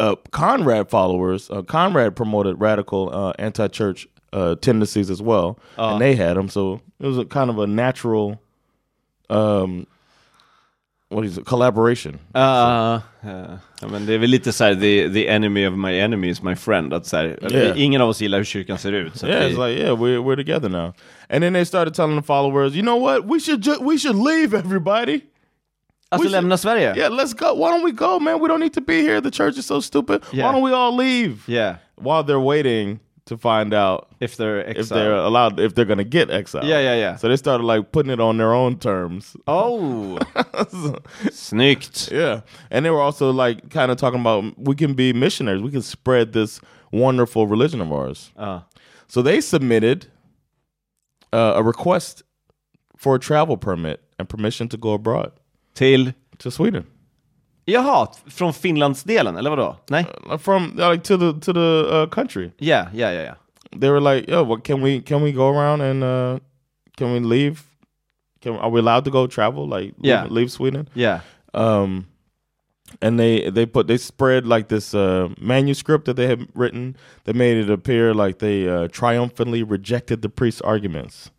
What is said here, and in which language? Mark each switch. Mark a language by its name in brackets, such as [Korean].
[English] Conrad followers, Conrad promoted radical anti-church tendencies as well. And they had them. So it was a kind of a natural... what is it? Collaboration. I mean, [Swedish] det är väl lite så här, [English] the enemy of my enemy is my friend. [Swedish] Att så här, ingen av oss gillar hur kyrkan ser ut. [English] Yeah, it's like, yeah, we're together now. And then they started telling the followers, you know what? We should leave, everybody. [Swedish] Alltså lämna Sverige? [English] Yeah, let's go. Why don't we go, man? We don't need to be here. The church is so stupid. Yeah. Why don't we all leave? Yeah. While they're waiting to find out if they're going to get exiled. Yeah, yeah, yeah. So they started like putting it on their own terms. [Swedish] Oh. Snyggt. [English] Yeah. And they were also like kind of talking about, we can be missionaries. We can spread this wonderful religion of ours. So they submitted a request for a travel permit and permission to go abroad. To Sweden. [Swedish] Jaha, från Finlands delen, eller vadå? Nej. [English] From the country. Yeah, yeah, yeah, yeah. They were like, yo, what can we go around and can we leave? Are we allowed to go travel? Like, leave Sweden? Yeah. And they spread like this manuscript that they had written that made it appear like they triumphantly rejected the priest's arguments.